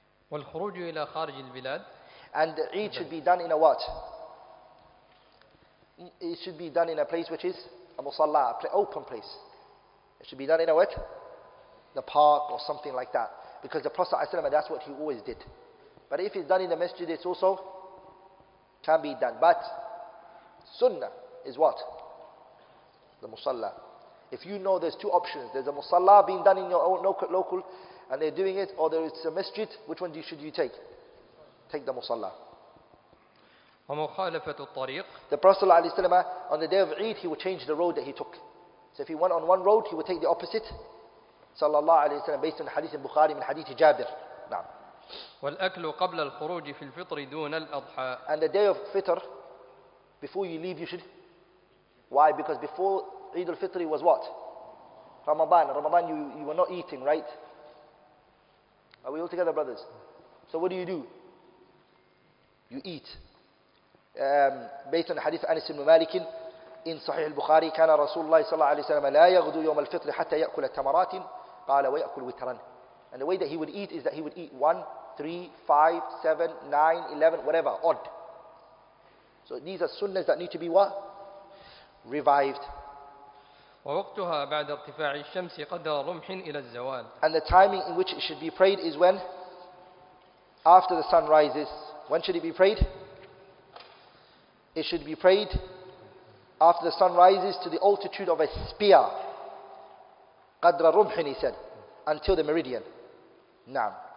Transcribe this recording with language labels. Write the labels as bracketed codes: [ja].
[ar] والخروج إلى خارج البلاد. [en] And the Eid should be done in a what? It should be done in a place which is a musalla, an open place. It should be done in a what? The park or something like that. Because the Prophet ﷺ, that's what he always did. But if it's done in the masjid, it's also can be done. But sunnah is what? The musalla. If you know there's two options, there's a musalla being done in your own local and they're doing it, or there is a masjid, which one should you take? Take the musalla. [ar] وَمُخَالَفَةُ الطَّرِيقِ. [en] The Prophet ﷺ, on the day of Eid, he would change the road that he took. So if he went on one road, he would take the opposite. Sallallahu alayhi wa sallam, based on the hadith in Bukhari, in hadith Jabir. Na'am. [ar] والأكل قبل الخروج في الفطر دون الأضحى. [en] And the day of Fitr, before you leave, you should. Why? Because before Eid al-Fitr was what? Ramadan, you were not eating, right? Are we all together, brothers? So what do? You eat. Based on the hadith of Anas ibn Malik, in Sahih al-Bukhari, [ar] كان رسول الله صلى الله عليه وسلم لا يغدو يوم الفطر حتى يأكل التمرات قال ويأكل وترا. [en] And the way that he would eat is that he would eat 1, 3, 5, 7, 9, 11, whatever, odd. So these are sunnahs that need to be what? Revived. [ar] ووقتها بعد ارتفاع الشمس قدر رمح إلى الزوال. [en] And the timing in which it should be prayed is when? After the sun rises. When should it be prayed? It should be prayed after the sun rises to the altitude of a spear. [ar] قدر رمح, [en] he said, until the meridian. [ar] نعم.